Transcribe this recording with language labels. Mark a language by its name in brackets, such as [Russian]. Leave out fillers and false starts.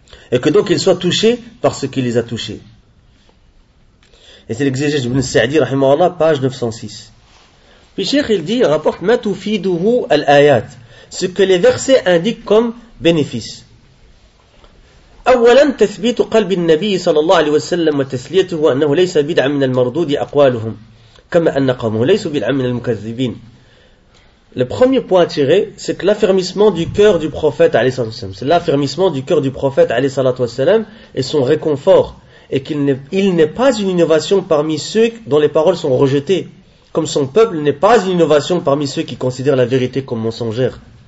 [French] Et que donc ils soient touchés par ce qui les a touchés. Et c'est l'exégèse d'Ibn Sa'di, rahimahullah, page 906. Puis Cheikh, il dit, il rapporte, « [Arabic] Ma tufiduhu al-ayat [French] » ce que les versets indiquent comme bénéfice. [Arabic] أولاً تثبيت قلب النبي صلى الله عليه وسلم وتسليته أنه ليس بدعة من المردود أقوالهم كما أن قومه ليس بدعة من المكذبين. [French] Le premier point à tirer, c'est que l'affermissement du cœur du prophète عليه الصلاة والسلام, c'est l'affermissement du cœur du prophète عليه الصلاة والسلام et son réconfort, et qu'il n'est pas une innovation parmi ceux dont les paroles sont rejetées, comme son peuple n'est pas une innovation parmi ceux qui considèrent la vérité comme mensongère.